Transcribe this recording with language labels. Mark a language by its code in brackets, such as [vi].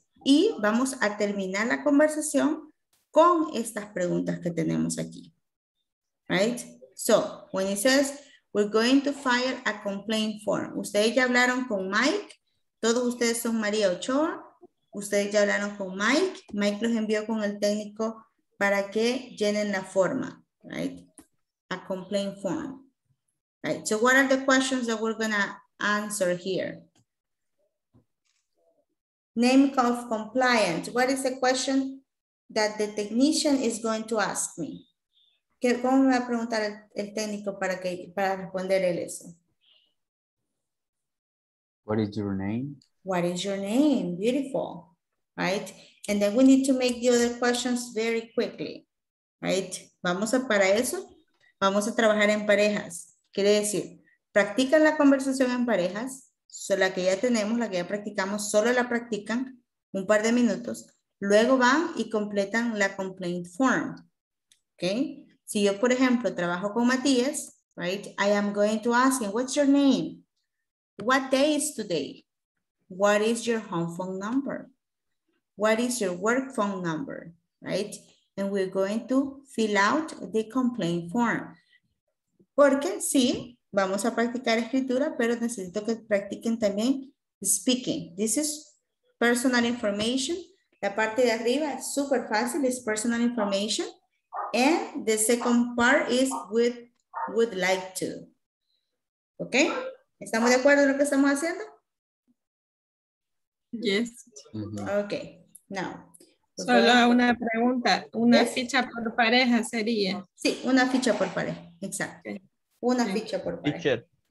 [es] Y vamos a terminar la conversación con estas preguntas que tenemos aquí, right? [en] So, when it says, we're going to file a complaint form. [es] Ustedes ya hablaron con Mike. Todos ustedes son María Ochoa. Ustedes ya hablaron con Mike. Mike los envió con el técnico para que llenen la forma, right? [en] A complaint form, right? So what are the questions that we're gonna answer here? Name of compliance. What is the question that the technician is going to ask me? [es] ¿Cómo me va a preguntar el técnico para responder él eso? [en] What is your name? What is your name? Beautiful, right? And then we need to make the other questions very quickly, right? [es] Vamos a, para eso, vamos a trabajar en parejas. Quiere decir, practican la conversación en parejas, so la que ya tenemos, la que ya practicamos, solo la practican un par de minutos, luego van y completan la complaint form, ¿ok? Si yo, por ejemplo, trabajo con Matías, right? [en] I am going to ask him, what's your name? What day is today? What is your home phone number? What is your work phone number, right? And we're going to fill out the complaint form. [es] Porque sí, vamos a practicar escritura, pero necesito que practiquen también speaking. [en] This is personal information. [es] La parte de arriba es súper fácil, es personal information. [en] And the second part is with would like to. Okay? [es] ¿Estamos de acuerdo en lo que estamos haciendo? [en] Yes. Mm-hmm. Okay. Now. [es] Solo una pregunta. Una yes. ficha por pareja sería. Sí, una ficha por pareja. Exacto. Okay. Una ficha por pareja. [en] Teacher.